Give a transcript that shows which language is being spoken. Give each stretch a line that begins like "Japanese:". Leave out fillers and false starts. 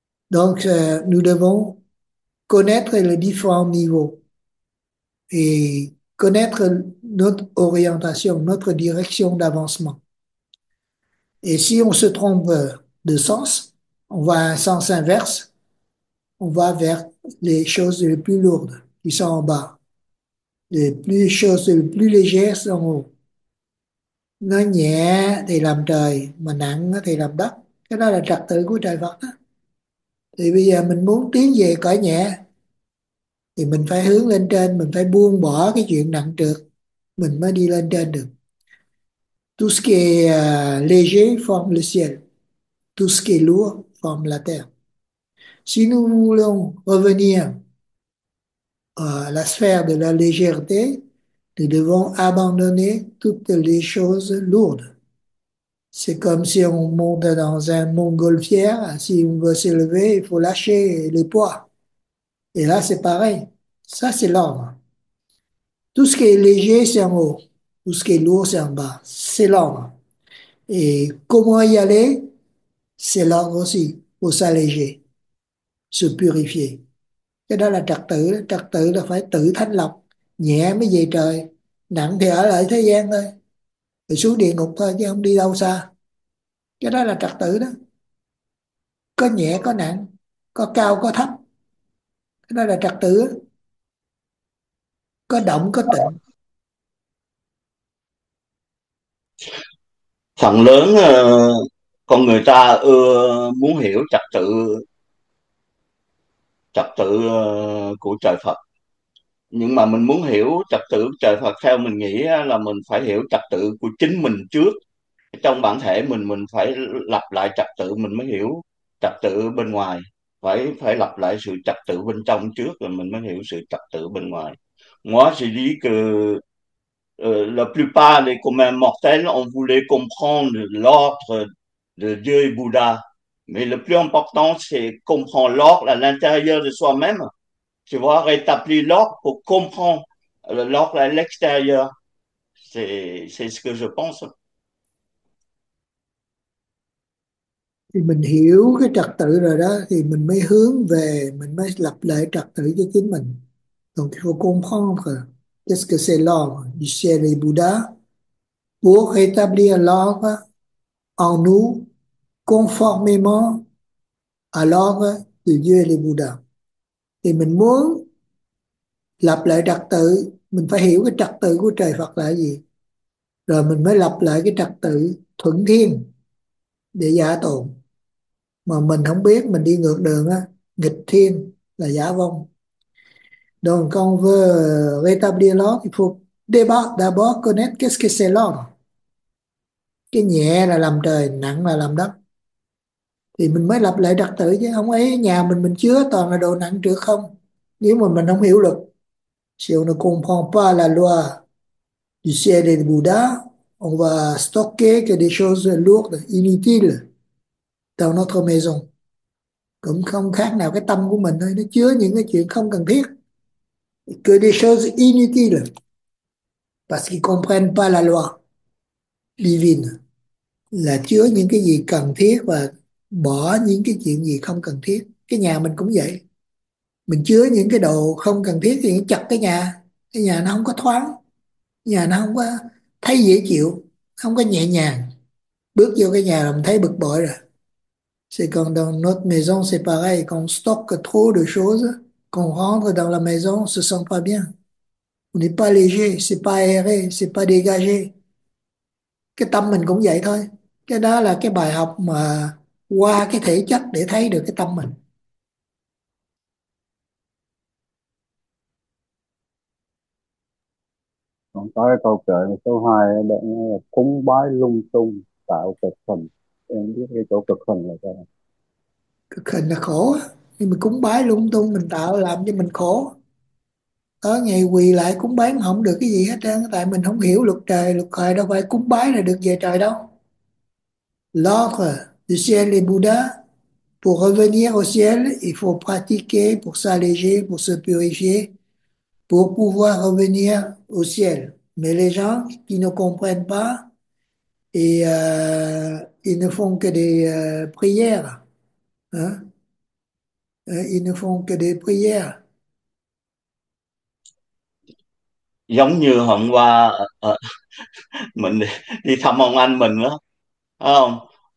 French: Donc, nous devons connaître les différents niveaux et connaître notre orientation, notre direction d'avancement. Et si on se trompe de sens, on va à un sens inverse, on va vers les choses les plus lourdes, qui sont en bas. Les choses les plus légères sont en haut.
Vietnamese: Nó nhẹ thì làm trời, mà nặng thì làm đất. Cái đó là trật tự của trời Phật đó. Thì bây giờ mình muốn tiến về cõi nhẹ, thì mình phải hướng lên trên, mình phải buông bỏ cái chuyện nặng trược mình mới đi lên trên được.
French: Tout ce qui est léger forme le ciel, tout ce qui est lourd forme la terre. Si nous voulons revenir à la sphère de la légèreté, nous devons abandonner toutes les choses lourdes. C'est comme si on montait dans un montgolfière, si on veut s'élever, il faut lâcher les poids. Et là, c'est pareil. Ça, c'est l'ordre. Tout ce qui est léger, c'est en haut. Tout ce qui est lourd, c'est en bas. C'est l'ordre. Et comment y aller? C'est l'ordre aussi. Faut s'alléger, se purifier.
Vietnamese: Cái đó là trật tự là phải tự thanh lọc, nhẹ mới về trời, nặng thì ở lại thế gian thôi, thì xuống địa ngục thôi chứ không đi đâu xa. Cái đó là trật tự đó, có nhẹ có nặng, có cao có thấp, cái đó là trật tự đó. Có động có tịnh. Phần lớn con người ta ưa muốn hiểu trật tự của trời Phật, nhưng mà mình muốn hiểu trật tự của trời Phật theo mình nghĩ là mình phải hiểu trật tự của chính mình trước. Trong bản thể mình phải lặp lại trật tự mình mới hiểu trật tự bên ngoài, phải phải lặp lại sự trật tự bên trong trước rồi mình mới hiểu sự trật tự bên ngoài.
French: Moi, je dis que la plupart des communs mortels, on voulait comprendre l'ordre de Dieu et Bouddha. Mais le plus important, c'est comprendre l'ordre à l'intérieur de soi-même. Tu vois, rétablir l'ordre pour comprendre l'ordre à l'extérieur. C'est ce que je pense.
Vietnamese: Thì mình hiểu cái trật tự rồi đó thì mình mới hướng về, mình mới lập lại trật tự cho chính mình.
French: Donc il faut comprendre qu'est-ce que c'est l'ordre du ciel et Bouddha pour rétablir l'ordre en nous conformément à l'ordre de Dieu et les Bouddhas.
Vietnamese: Thì mình muốn lập lại trật tự, mình phải hiểu cái trật tự của trời Phật là gì. Rồi mình mới lập lại cái trật tự thuận thiên để giả tồn. Mà mình không biết mình đi ngược đường á, nghịch thiên là giả vong.
French: Donc quand on veut rétablir l'ordre, il faut d'abord connaître qu'est-ce que c'est l'ordre.
Vietnamese: Cái nhẹ là làm trời, nặng là làm đất. Thì mình mới lập lại trật tự chứ không ấy, nhà mình chứa toàn là đồ nặng trược không. Nếu mà mình không hiểu luật,
French: si on ne comprend pas la loi du ciel et du Bouddha, on va stocker que des choses lourdes, inutiles dans notre maison.
Vietnamese: Cũng không khác nào cái tâm của mình thôi, nó chứa những cái chuyện không cần thiết.
French: Que des choses inutiles parce qu'ils comprennent pas la loi divine,
Vietnamese: là chứa những cái gì cần thiết và bỏ những cái chuyện gì không cần thiết. Cái nhà mình cũng vậy, mình chứa những cái đồ không cần thiết thì chặt cái nhà nó không có thoáng, nhà nó không có thấy dễ chịu, không có nhẹ nhàng. Bước vô cái nhà là mình thấy bực bội rồi.
French: C'est comme dans notre maison, c'est pareil. Quand on stocke trop de choses, quand on rentre dans la maison, on ne se sent pas bien. On n'est pas léger, c'est pas aéré, c'est pas dégagé.
Vietnamese: Cái tâm mình cũng vậy thôi. Cái đó là cái bài học mà qua cái thể chất để thấy được cái tâm mình. Còn có cái câu chuyện số 2 là cúng bái lung tung tạo cực hình. Em biết cái chỗ cực hình là sao không? Cực hình là khổ, nhưng mà cúng bái lung tung mình tạo làm cho mình khổ. Có ngày quỳ lại cúng bái không được cái gì hết trơn, tại mình không hiểu luật trời, luật trời đâu phải cúng bái là được về trời đâu.
French: L'ordre du ciel et Bouddha, pour revenir au ciel, il faut pratiquer pour s'alléger, pour se purifier, pour pouvoir revenir au ciel. Mais les gens qui ne comprennent pas, et ils ne font que des prières. Hein? Ils ne font que des prières.
Vietnamese: Giống như hôm qua mình đi thăm ông anh mình đó, phải không?